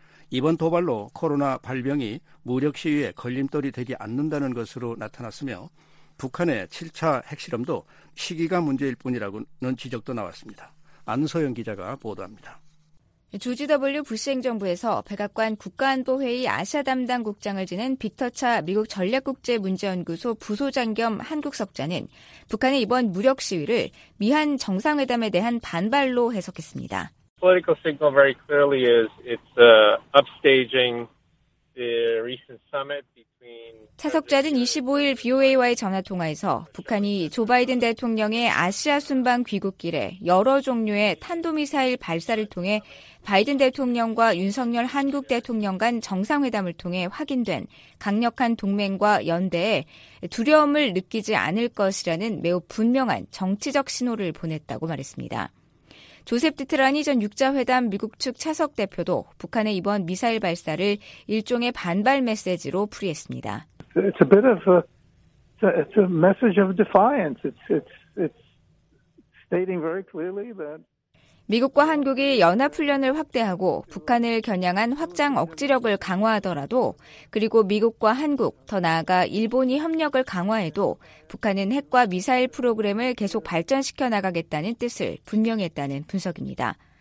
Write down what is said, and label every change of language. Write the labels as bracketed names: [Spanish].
[Korean] 이번 도발로 코로나 발병이 무력 시위에 걸림돌이 되지 않는다는 것으로 나타났으며 북한의 7차 핵실험도 시기가 문제일 뿐이라고는 지적도 나왔습니다. 안소영 기자가 보도합니다. 조지 W. 부시 행정부에서 백악관 국가안보회의 아시아 담당 국장을 지낸 피터 차 미국 전략국제문제연구소 부소장 겸 한국석좌는 북한의 이번 무력 시위를 미한 정상회담에 대한 반발로 해석했습니다. [English] Political signal very clearly is it's upstaging the recent summit. [Korean] 차석자는 25일 VOA와의 전화통화에서 북한이 조 바이든 대통령의 아시아 순방 귀국길에 여러 종류의 탄도미사일 발사를 통해 바이든 대통령과 윤석열 한국 대통령 간 정상회담을 통해 확인된 강력한 동맹과 연대에 두려움을 느끼지 않을 것이라는 매우 분명한 정치적 신호를 보냈다고 말했습니다. 조셉 디트라니 전 6자회담 미국 측 차석 대표도 북한의 이번 미사일 발사를 일종의 반발 메시지로 풀이했습니다. [English] It's a bit of a message of defiance. It's stating very clearly that [Korean] 미국과 한국이 연합훈련을 확대하고 북한을 겨냥한 확장 억지력을 강화하더라도 그리고 미국과 한국, 더 나아가 일본이 협력을 강화해도 북한은 핵과 미사일 프로그램을 계속 발전시켜 나가겠다는 뜻을 분명히 했다는 분석입니다.